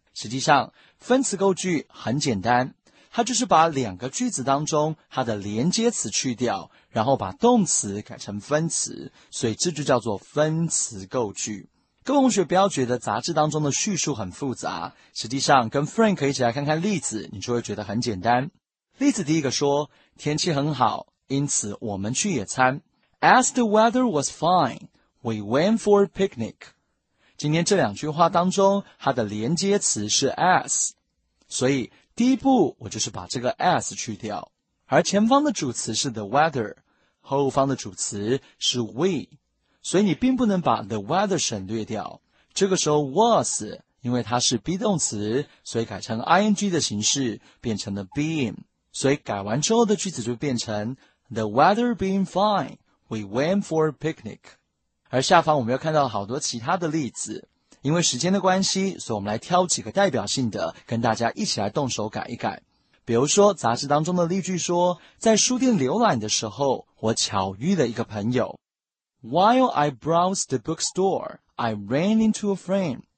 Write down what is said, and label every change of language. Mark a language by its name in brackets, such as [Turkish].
[Chinese] 实际上分词构句很简单，它就是把两个句子当中它的连接词去掉，然后把动词改成分词，所以这就叫做分词构句。各位同学不要觉得杂志当中的叙述很复杂，实际上跟 Frank 一起来看看例子，你就会觉得很简单。例子第一个说，天气很好，因此我们去野餐。 [English] As the weather was fine, we went for a picnic. [Chinese] 今天这两句话当中，它的连接词是 as， 所以第一步我就是把这个 as 去掉，而前方的主词是 the weather， 后方的主词是 we， 所以你并不能把 the weather 省略掉。这个时候 was 因为它是 be 动词，所以改成 ing 的形式，变成了 being， 所以改完之后的句子就变成 [English] the weather being fine, we went for a picnic。 [Chinese] 而下方我们又看到好多其他的例子，因为时间的关系，所以我们来挑几个代表性的跟大家一起来动手改一改。比如说杂志当中的例句说，在书店浏览的时候，我巧遇了一个朋友。 [English] While I browsed the bookstore, I ran into a friend.